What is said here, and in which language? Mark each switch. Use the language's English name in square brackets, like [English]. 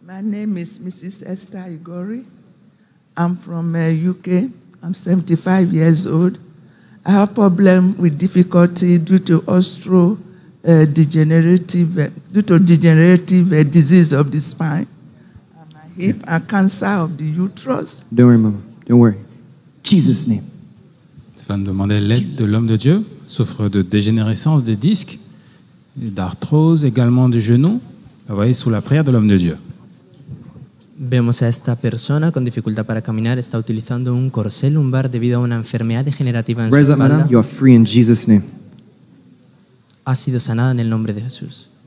[English] My name is Mrs. Esther Igori. I'm from UK. I'm 75 years old. I have problem with difficulty due to degenerative disease of the spine, and my hip, and cancer of the uterus. Don't worry, Mama. Don't worry. Jesus' name. [French] Cette femme demandait l'aide de l'homme de Dieu. Souffre de dégénérescence des disques, d'arthrose également du genou. La voyez sous la prière de l'homme de Dieu. [Spanish] Vemos a esta persona con dificultad para caminar, está utilizando un corsé lumbar debido a una enfermedad degenerativa en su espalda. [English] Madam, you are free in Jesus' name. [Spanish] Ha sido sanada en el nombre de Jesús.